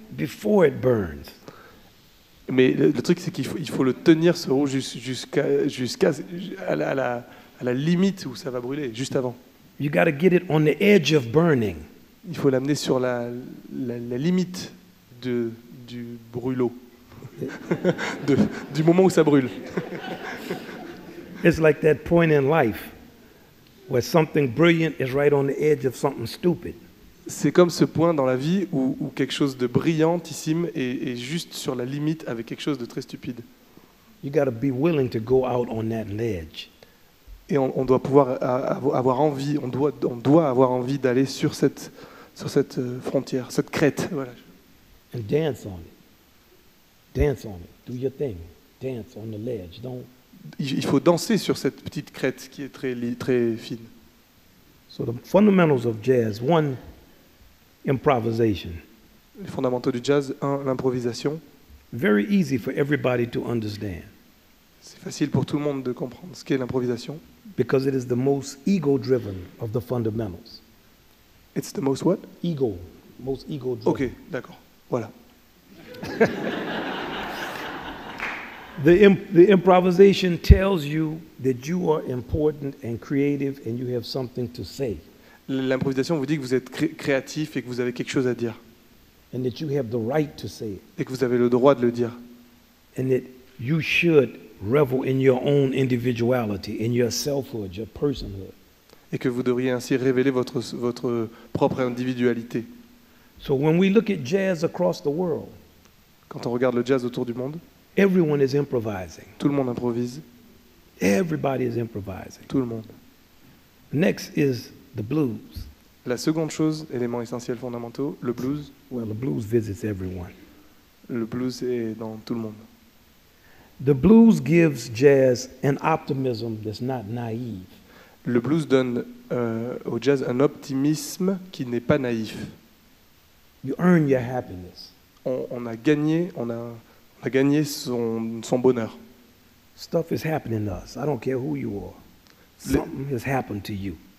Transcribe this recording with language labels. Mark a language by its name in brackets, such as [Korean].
[English] Before it burns. [French] Mais le truc, c'est qu'il faut le tenir ce roux jusqu'à la limite où ça va brûler, juste avant. [English] You gotta get it on the edge of burning. [French] Il faut l'amener sur la limite du brûlot, du moment où ça brûle. [English] It's like that point in life where something brilliant is right on the edge of something stupid. [French] C'est comme ce point dans la vie où quelque chose de brillantissime est juste sur la limite avec quelque chose de très stupide. [English] You gotta be willing to go out on that ledge. [French] Et on doit pouvoir avoir envie, on doit avoir envie d'aller sur cette frontière, cette crête. Voilà. [English] And dance on it. Dance on it. Do your thing. Dance on the ledge. Don't... [French] Il faut danser sur cette petite crête qui est très, très fine. [English] So the fundamentals of jazz, one, improvisation. [French] Les fondamentaux du jazz, un, l'improvisation. [English] Very easy for everybody to understand. [French] C'est facile pour tout le monde de comprendre ce qu'est l'improvisation. [English] Because it is the most ego-driven of the fundamentals. It's the most what? Ego. Most ego-driven. [French] Okay, d'accord. Voilà. [English] The improvisation tells you that you are important and creative and you have something to say. [French] L'improvisation vous dit que vous êtes créatif et que vous avez quelque chose à dire. [English] And that you have the right to say it. [French] Et que vous avez le droit de le dire. [English] And that you should revel in your own individuality, in your selfhood, your personhood. [French] Et que vous devriez ainsi révéler votre propre individualité. [English] So when we look at jazz across the world, [French] quand on regarde le jazz autour du monde, [English] everyone is improvising. [French] Tout le monde improvise. [English] Everybody is improvising. [French] Tout le monde. [English] Next is the blues. [French] La seconde chose, élément essentiel fondamental, le blues. [English] Well, the blues visits everyone. [French] Le blues est dans tout le monde. [English] The blues gives jazz an optimism that's not naive. [French] Le blues donne au jazz un optimisme qui n'est pas naïf. [English] You earn your happiness. [French] On a gagné son bonheur. [English] Stuff is happening to us. I don't care who you are. Something has happened to you.